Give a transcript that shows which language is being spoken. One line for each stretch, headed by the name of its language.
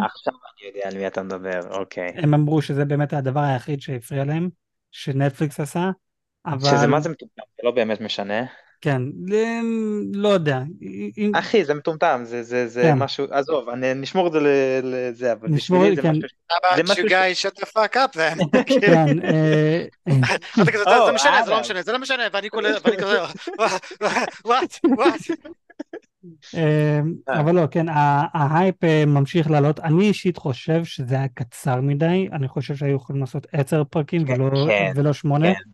Hebrew: עכשיו אני יודע על מי אתה מדבר, אוקיי. הם אמרו שזה באמת הדבר היחיד שהפריע להם, שנטפליקס עשה, אבל... שזה מה זה מטומטם, זה לא באמת משנה. כן, לא יודע. אחי, זה מטומטם, זה כן. משהו, עזוב, אני נשמור את זה לזה, אבל נשמור, בשבילי זה כן. משהו...
English: How about you guys shut the fuck up then?
Hebrew: כן. זה משנה, זה לא משנה, זה לא משנה, ואני קורא, ואני קורא,
English: what, what?
Hebrew: אבל לא, כן, ההייפ ממשיך לעלות. אני אישית חושב שזה היה קצר מדי, אני חושב שהיו יכולים לעשות 10 פרקים ולא 8.